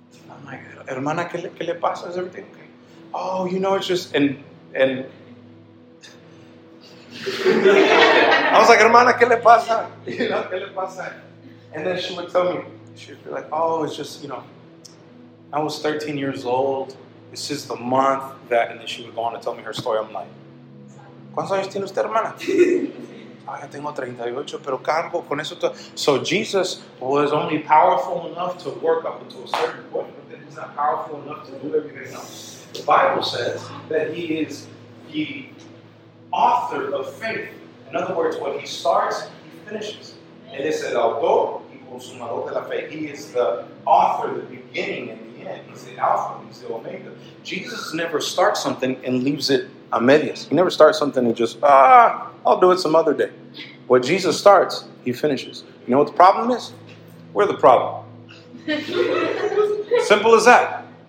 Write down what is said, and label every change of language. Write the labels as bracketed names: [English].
[English] I'm like, [Spanish] hermana, ¿qué le pasa? [English] Is everything okay? Oh, you know, it's just, and I was like, hermana, ¿qué le pasa? You know, [Spanish] ¿qué le pasa? [English] And then she would tell me, she'd be like, oh, it's just, you know, I was 13 years old. This is the month that, and then she would go on to tell me her story. I'm like, [Spanish] ¿cuántos años tiene usted, hermana? Ah, ya tengo 38, pero cargo con eso todo. [English] So Jesus was only powerful enough to work up until a certain point, but then he's not powerful enough to do everything else. The Bible says that he is the author of faith. In other words, what he starts, he finishes. [Spanish] Él es el autor y consumador de la fe. [English] He is the author, the beginning and the end. He's the Alpha, he's the Omega. Jesus never starts something and leaves it [Spanish] a medias. [English] He never starts something and just, I'll do it some other day. What Jesus starts, he finishes. You know what the problem is? We're the problem. Simple as that.